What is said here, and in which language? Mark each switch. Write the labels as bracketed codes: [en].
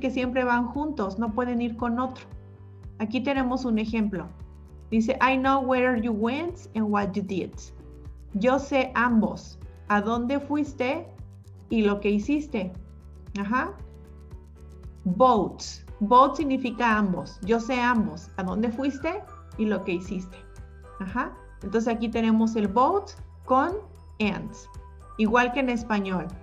[es] Que siempre van juntos, no pueden ir con otro. Aquí tenemos un ejemplo. [en] Dice, I know where you went and what you did. [es] Yo sé ambos, a dónde fuiste y lo que hiciste. Both. Both significa ambos. Yo sé ambos, a dónde fuiste y lo que hiciste. Entonces aquí tenemos el both con and. Igual que en español.